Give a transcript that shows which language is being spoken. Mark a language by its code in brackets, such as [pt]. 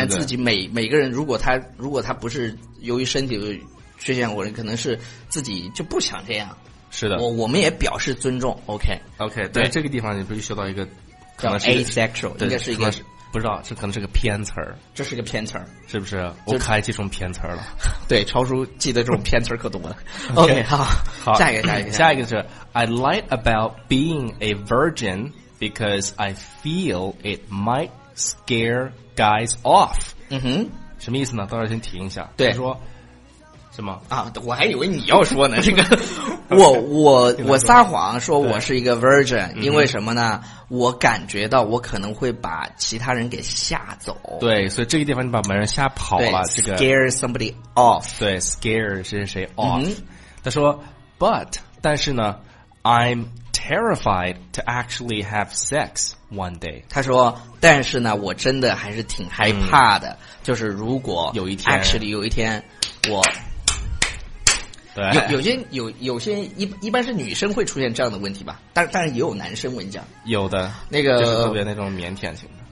[zh] 反正自己每个人，如果他不是由于身体的缺陷，或者可能是自己就不想这样。是的，我们也表示尊重。OK，对，这个地方你不是学到一个可能是 asexual， 应该是一个。不知道，这可能是个偏词儿。这是个偏词儿，是不是？我可爱记这种偏词儿了。对，超叔记得这种偏词儿可多了。 [en] OK， [zh] 好，下一个 [en] 是 I lied about being a virgin because I feel it might scare guys off。嗯哼， [zh] 什么意思呢？到这先停一下。对，说什么啊？我还以为你要说呢。这个，我撒谎说我是一个 virgin， 因为什么呢？嗯，我感觉到我可能会把其他人给吓走。对，所以这个地方你把门人吓跑了。这个 [en] scare somebody off。 [zh] 对 ，scare 是谁 off？、嗯、他说 [en] ，but [zh] 但是呢 [en] ，I'm terrified to actually have sex one day。 [zh] 他说，但是呢，我真的还是挺害怕的，嗯、就是如果有一天 actually 有一天我对，有些一般是女生会出现这样的问题吧，但是也有男生，我跟你讲，有的那个就是特别那种腼腆型的。